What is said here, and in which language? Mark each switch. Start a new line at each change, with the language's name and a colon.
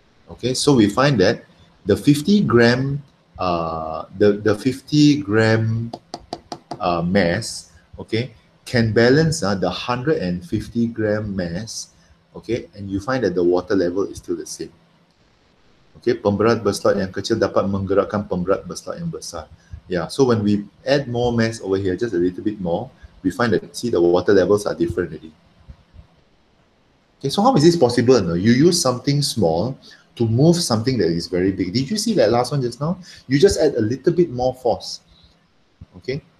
English: Okay, so we find that the 50 gram the 50 gram mass, okay, can balance the 150 gram mass, okay, and you find that the water level is still the same.
Malay: Okay, pemberat berslot yang kecil dapat menggerakkan pemberat berslot yang besar.
English: Yeah, so when we add more mass over here, just a little bit more, we find that, see, the water levels are different already. Okay, so how is this possible? No? You use something small to move something that is very big. Did you see that last one just now? You just add a little bit more force, okay?